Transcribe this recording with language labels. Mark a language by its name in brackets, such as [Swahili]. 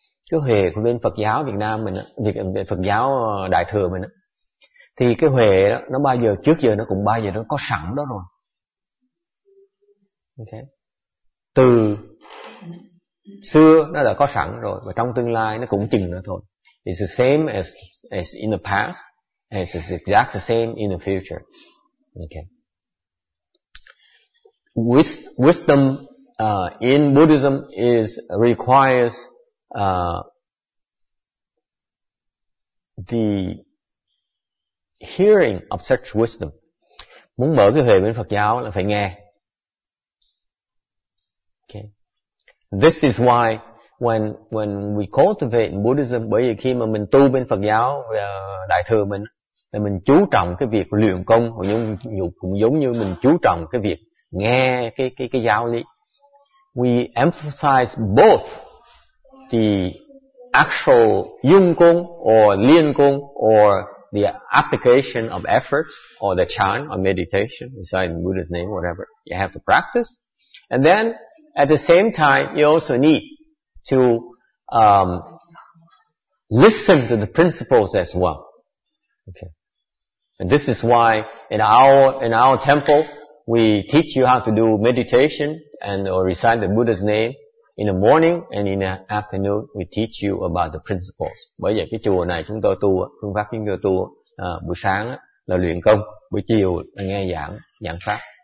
[Vietnamese] Cái huệ của bên Phật giáo Việt Nam mình, Phật giáo Đại Thừa mình, thì cái huệ đó nó bao giờ trước giờ nó cũng bao giờ nó có sẵn đó rồi. Okay. Từ xưa nó đã có sẵn rồi và trong tương lai nó cũng chừng nữa thôi. [English] It's the same as in the past, and it's exactly the same in the future. Okay. Wisdom in Buddhism requires the hearing of such wisdom. [Vietnamese] muốn mở cái huệ bên Phật giáo là phải nghe. Okay. [English] This is why when we cultivate Buddhism, [Vietnamese] bởi vì khi mà mình tu bên Phật giáo đại thừa mình, thì mình chú trọng cái việc luyện công, cũng giống như mình chú trọng cái việc nghe cái giáo lý. [English] We emphasize both the actual yung kung or lien kung or the application of efforts or the chan or meditation, inside in Buddha's name, whatever. You have to practice. And then at the same time, you also need to listen to the principles as well. Okay. And this is why in our temple, we teach you how to do meditation and or recite the Buddha's name in the morning, and in the afternoon we teach you about the principles. [Vietnamese] Bởi vậy cái chùa này chúng tôi tu, phương pháp chúng tôi tu buổi sáng là luyện công, buổi chiều là nghe giảng pháp.